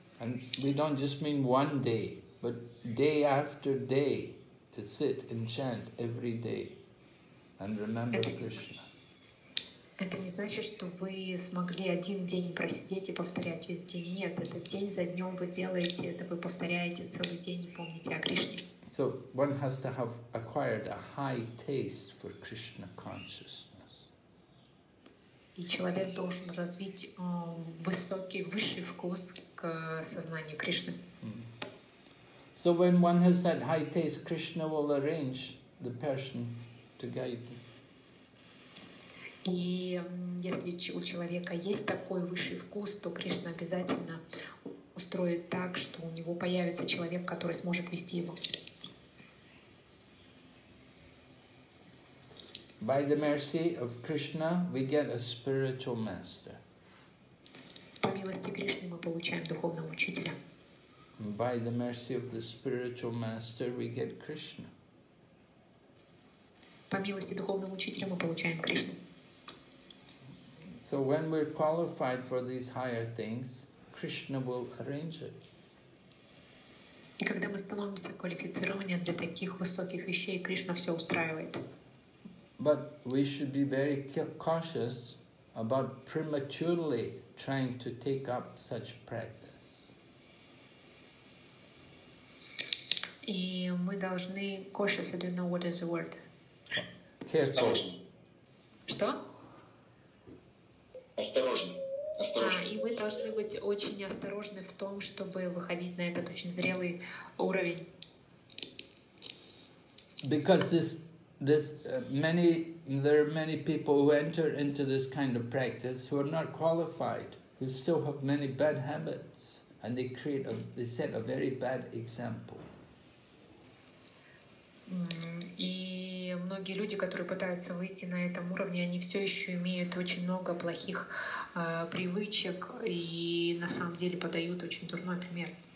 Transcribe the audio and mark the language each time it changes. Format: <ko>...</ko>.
<en>And we don't just mean one day, but day after day to sit and chant every day and remember Krishna.</en> <ru>Это не значит, что вы смогли один день просидеть и повторять весь день. Нет, это день за днем вы делаете это, вы повторяете целый день и помните о Кришне.</ru> <en>So one has to have acquired a high taste for Krishna consciousness.</en> <ru>И человек должен развить высший вкус к сознанию Кришны. Mm-hmm.</ru> <en>So when one has that high taste, Krishna will arrange the person to guide them.</en> <ru>И если у человека есть такой высший вкус, то Кришна обязательно устроит так, что у него появится человек, который сможет вести его.</ru> <en>By the mercy of Krishna, we get a spiritual master.</en> <ru>По милости Кришны мы получаем духовного учителя.</ru> <en>By the mercy of the spiritual master, we get Krishna.</en> <ru>По милости духовного учителя мы получаем Кришну.</ru> <en>So when we're qualified for these higher things, Krishna will arrange it.</en> <ru>И когда мы становимся квалифицированными для таких высоких вещей, Кришна все устраивает.</ru> <en>But we should be very cautious about prematurely trying to take up such practice.</en> <ru>И мы должны</ru> <en>cautious, I don't know what is the word. Careful.</en> <ru>Что? Осторожно. И мы должны быть очень осторожны в том, чтобы выходить на этот очень зрелый уровень.</ru> <en>Because there are many people who enter into this kind of practice who are not qualified, who still have many bad habits, and they set a very bad example.</en> <ru>И многие люди, которые пытаются выйти на этом уровне, они все еще имеют очень много плохих привычек и на самом деле подают очень дурной пример.</ru>